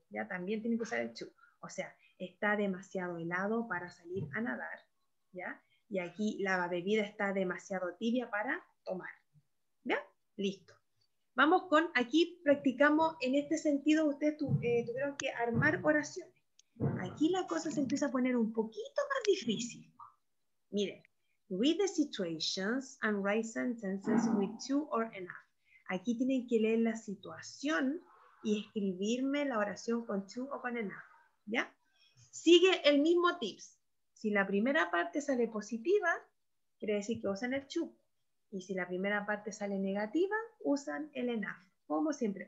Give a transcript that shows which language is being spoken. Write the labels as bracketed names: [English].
[Spanish] Ya también tienen que usar el two. O sea, está demasiado helado para salir a nadar, ¿ya? Y aquí la bebida está demasiado tibia para tomar. ¿Ya? Listo. Vamos con, aquí practicamos, en este sentido ustedes tuvieron que armar oraciones. Aquí la cosa se empieza a poner un poquito más difícil. [English] Miren, read the situations and write sentences with two or enough. [Spanish] Aquí tienen que leer la situación y escribirme la oración con two o con enough. ¿Ya? Sigue el mismo tips. Si la primera parte sale positiva, quiere decir que usan el two. Y si la primera parte sale negativa, usan el enough, como siempre.